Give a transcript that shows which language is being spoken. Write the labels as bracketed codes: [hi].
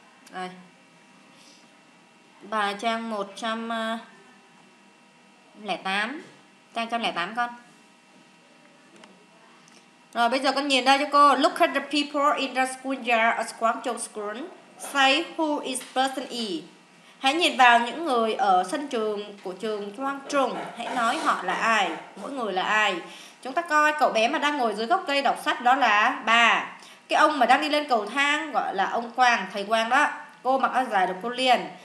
[vi] Đây. Bài trang 108. Trang 108 con. Rồi bây giờ con nhìn ra cho cô. [en] Look at the people in the schoolyard at Guangzhou School. Say who is person E. [vi] Hãy nhìn vào những người ở sân trường của trường Guangzhou. Hãy nói họ là ai, mỗi người là ai. Chúng ta coi cậu bé mà đang ngồi dưới gốc cây đọc sách đó là bà. Cái ông mà đang đi lên cầu thang gọi là ông Quang, thầy Quang đó. Cô mặc áo dài là cô Liên.